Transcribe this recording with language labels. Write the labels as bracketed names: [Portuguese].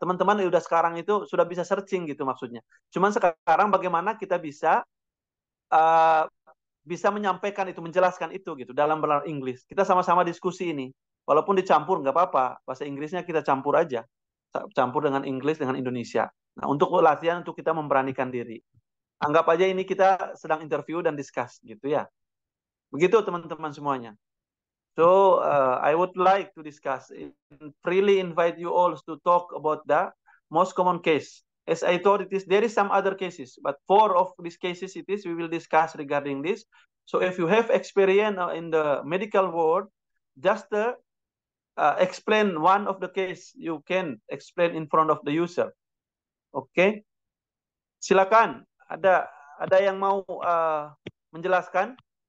[Indonesian] Teman-teman udah sekarang itu sudah bisa searching gitu maksudnya. Cuman sekarang bagaimana kita bisa menyampaikan itu, menjelaskan itu gitu dalam bahasa Inggris. Kita sama-sama diskusi ini, walaupun dicampur nggak apa-apa, bahasa Inggrisnya kita campur aja, campur dengan Inggris dengan Indonesia. Nah, untuk latihan untuk kita memberanikan diri, anggap aja ini kita sedang interview dan discuss gitu ya. Begitu teman-teman semuanya. [English] So I would like to discuss, freely invite you all to talk about the most common case. As I thought, there is some other cases, but four of these cases it is we will discuss regarding this. So if you have experience in the medical world, just explain one of the case you can explain in front of the user. [Indonesian] Okay? Silakan. Ada yang mau menjelaskan?